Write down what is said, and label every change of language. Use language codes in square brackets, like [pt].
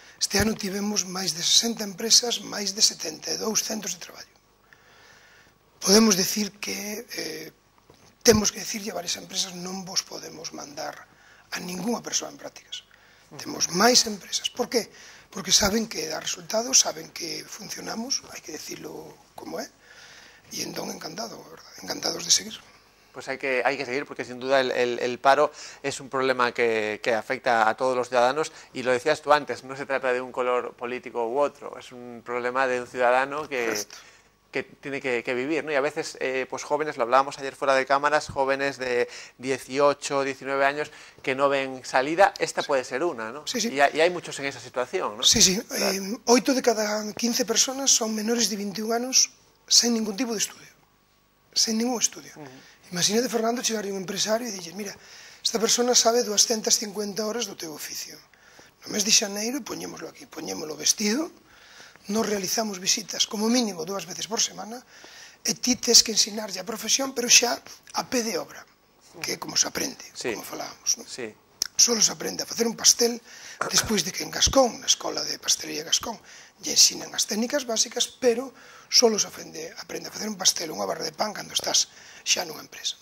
[gl] Este ano tivemos máis de 60 empresas, máis de 72 centros de traballo. Podemos decir que temos que decir que varias empresas non vos podemos mandar a ninguna persoa en prácticas. Temos máis empresas. Por qué? Porque saben que dá resultados, saben que funcionamos, hai que decirlo como é, e entón encantado, ¿verdad? Encantados de seguir. [es] Pues hay que seguir porque sin duda el paro es un problema que afecta a todos los ciudadanos y lo decías tú antes, no se trata de un color político u otro, es un problema de un ciudadano que tiene que vivir, ¿no? Y a veces, pues jóvenes, lo hablábamos ayer fuera de cámaras, jóvenes de 18, 19 años que no ven salida, esta puede ser una, ¿no? Sí, sí. Y hay muchos en esa situación, ¿no? Sí, sí. 8 de cada 15 personas son menores de 21 años sin ningún tipo de estudio. Sin ningún estudio. Uh-huh. Imagínate, Fernando, llegar a un empresario y decir, mira, esta persona sabe 250 horas [gl] do teu oficio. No mes de xaneiro, poñémoslo aquí, poñémoslo vestido, nos realizamos visitas como mínimo 2 veces por semana e ti tes que ensinarlle a profesión, pero xa a pé de obra, que é como se aprende, sí, como falábamos. ¿No? Sí. Solo se aprende a facer un pastel despois de que en Gascón, na Escola de Pastelería Gascón, lle ensinan as técnicas básicas, pero solo se aprende a facer un pastel, unha barra de pan, cando estás xa nunha empresa.